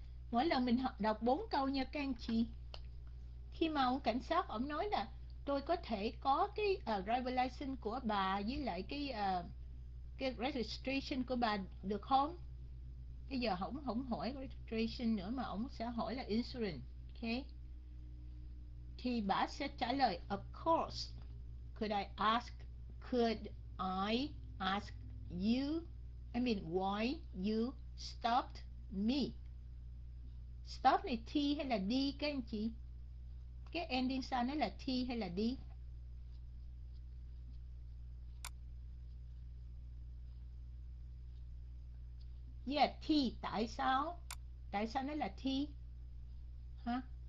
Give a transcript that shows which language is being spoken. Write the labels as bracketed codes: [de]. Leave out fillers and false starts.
[vi] Mỗi lần mình học đọc 4 câu nha các anh chị. Khi mà ông cảnh sát ông nói là tôi có thể có cái driver license của bà với lại cái registration của bà được không? Bây giờ ông không hỏi registration nữa mà ông sẽ hỏi là insurance. Okay. Thì bà sẽ trả lời [en] of course. Could I ask, could I ask you, I mean why you stopped me? [vi] Stop này T hay là D các anh chị? Cái ending sau nó là T hay là D? Yeah, T. Tại sao? Tại sao nó là T? Hả?